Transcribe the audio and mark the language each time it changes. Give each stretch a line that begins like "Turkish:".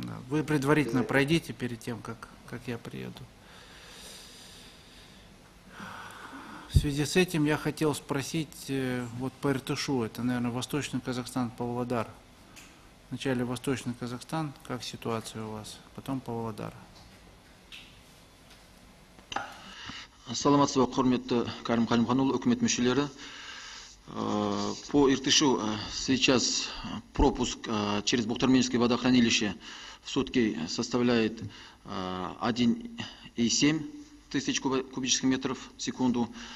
Russian: Вы предварительно пройдите перед тем, как я приеду. В связи с этим я хотел спросить вот по Иртышу, это, наверное, Восточный Казахстан, Павлодар. Вначале Восточный Казахстан, как ситуация у вас, потом Павлодар.
Kazakh: Саламатсызбы, құрметті Карим Қалимханұлы, үкімет мүшелері.
Russian: По Иртышу сейчас пропуск через Бухтарменское водохранилище в сутки составляет 1,7 тысяч кубических метров в секунду.